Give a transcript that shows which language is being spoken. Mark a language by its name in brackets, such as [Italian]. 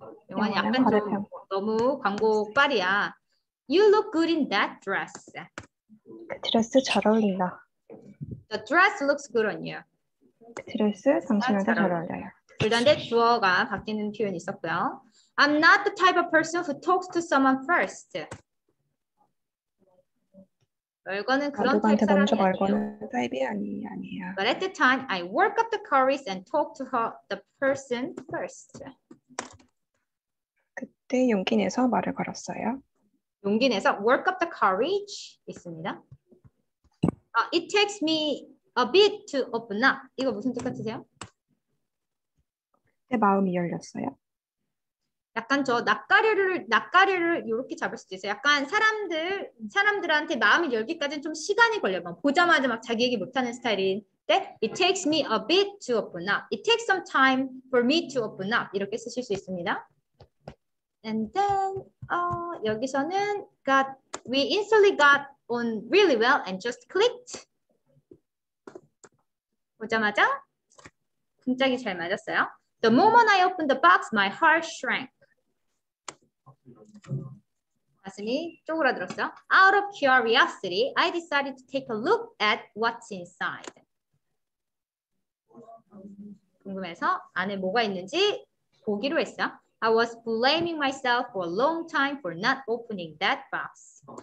[Korean] 영화는 약간 좀 너무 광고 빨이야. [English] You look good in that dress. [Korean] 그 드레스 잘 어울린다. [English] The dress looks good on you. [Korean] 그 드레스 당신한테 잘 어울려요. 둘 다 주어가 바뀌는 표현이 있었고요. [English] I'm not the type of person who talks to someone first. [Korean] 얼거는 그런 타입 사람이 먼저 얼거는 타입이 아니에요. [English] But at the time, I work up the courage and talk to her, the person first. [Korean] 그때 용기 내서 말을 걸었어요. 용기 내서 [English] work up the courage [Korean] 있습니다. [English] It takes me a bit to open up. [Korean] 이거 무슨 뜻 같으세요? 그때 마음이 열렸어요. 약간 저 낯가리를 이렇게 잡을 수도 있어요. 약간 사람들한테 마음을 열기까지는 좀 시간이 걸려요. 막 보자마자 막 자기 얘기 못하는 스타일인데 [English] It takes me a bit to open up. It takes some time for me to open up. [Korean] 이렇게 쓰실 수 있습니다. [English] And then [Korean] 여기서는 [English] we instantly got on really well and just clicked. [Korean] 보자마자 궁짝이 잘 맞았어요. [English] The moment I opened the box, my heart shrank. [Korean] 가슴이 쪼그라들었어요. [English] Out of curiosity, I decided to take a look at what's inside. [Korean] 궁금해서 안에 뭐가 있는지 보기로 했어요. [English] I was blaming myself for a long time for not opening that box.